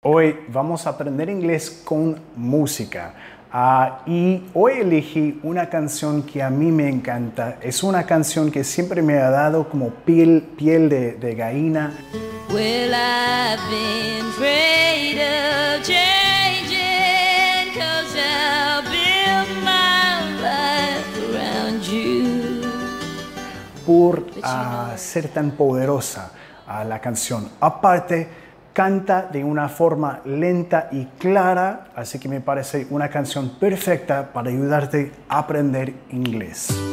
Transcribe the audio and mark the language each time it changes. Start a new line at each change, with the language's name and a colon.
Spanish: Hoy vamos a aprender inglés con música. Y hoy elegí una canción que a mí me encanta. Es una canción que siempre me ha dado como piel de gallina.
English: Well, I've been afraid of changing, 'cause I'll build my life around you.
Spanish: Por ser tan poderosa la canción. Aparte, canta de una forma lenta y clara, así que me parece una canción perfecta para ayudarte a aprender inglés.